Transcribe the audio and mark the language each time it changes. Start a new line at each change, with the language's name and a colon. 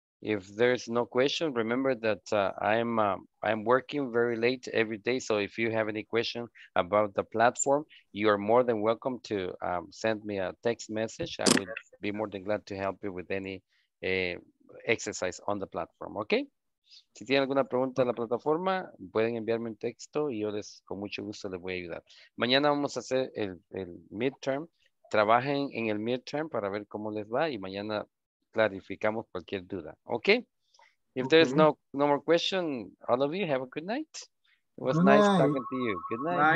English: If there's no question, remember that I'm working very late every day. So if you have any question about the platform, you are more than welcome to send me a text message. I would be more than glad to help you with any exercise on the platform, okay?
Spanish: Si tienen alguna pregunta en la plataforma, pueden enviarme un texto y yo les con mucho gusto les voy a ayudar. Mañana vamos a hacer el midterm. Trabajen en el midterm para ver cómo les va y mañana clarificamos cualquier duda.
English: Okay? If there's no more question, all of you have a good night. It was nice talking to you. Good night.